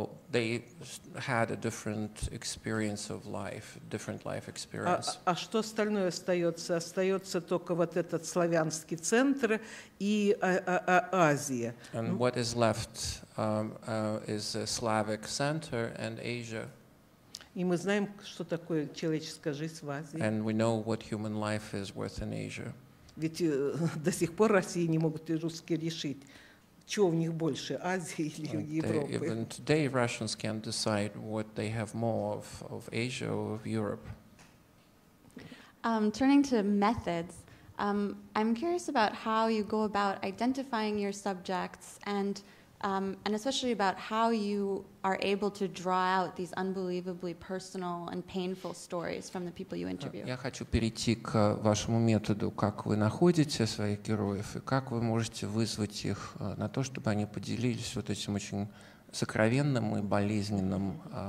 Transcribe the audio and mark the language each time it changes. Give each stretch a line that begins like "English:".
English: They had a different experience of life, different life experience.
Russian: А что остальное остается? Остается только вот этот славянский центр и Азия.
English: And what is left is a Slavic center and Asia.
Russian: И мы знаем, что такое человеческая жизнь в Азии.
English: And we know what human life is worth in Asia.
Russian: Ведь до сих пор России не могут и русские решить, чего у них больше, Азии или Европы.
English: Even today, Russians can't decide what they have more of Asia or of Europe. Turning to methods, I'm curious about how you go about identifying your subjects and especially about how you are able to draw out these unbelievably personal and painful stories from the people you interview.
Russian: Я хочу перейти к вашему методу, как вы находите своих героев и как вы можете вызвать их на то, чтобы они поделились вот этим очень сокровенным и болезненным.